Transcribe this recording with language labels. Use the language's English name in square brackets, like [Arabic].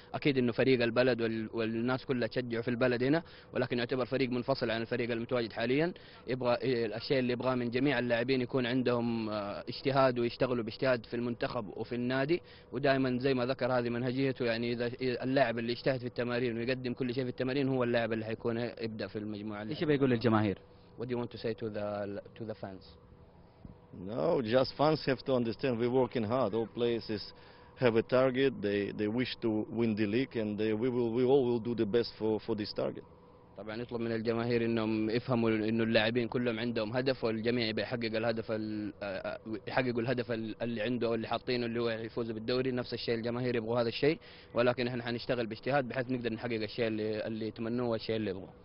[Arabic] اكيد انه فريق البلد والناس كلها تشجعوا في البلد هنا، ولكن يعتبر فريق منفصل عن الفريق المتواجد حاليا. يبغى الشيء اللي يبغاه من جميع اللاعبين يكون عندهم اجتهاد ويشتغلوا باجتهاد في المنتخب وفي النادي. ودائما زي ما ذكر هذه منهجيته، يعني اذا اللاعب اللي اجتهد في التمارين ويقدم كل شيء في التمارين هو اللاعب اللي حيكون يبدأ في المجموعة. ايش بيقول للجماهير؟ [English] What do you want to say to the fans? No, just fans have to understand we're working hard. All players have a target. They wish to win the league, and we all will do the best for this target. [Arabic] طبعا يطلب من الجماهير انهم يفهموا انه اللاعبين كلهم عندهم هدف، والجميع بيحقق الهدف يحققوا الهدف اللي عنده او اللي حاطينه اللي هو يفوزوا بالدوري. نفس الشيء الجماهير يبغوا هذا الشيء، ولكن احنا حنشتغل باجتهاد بحيث نقدر نحقق الشيء اللي يتمنوه والشيء اللي يبغوه.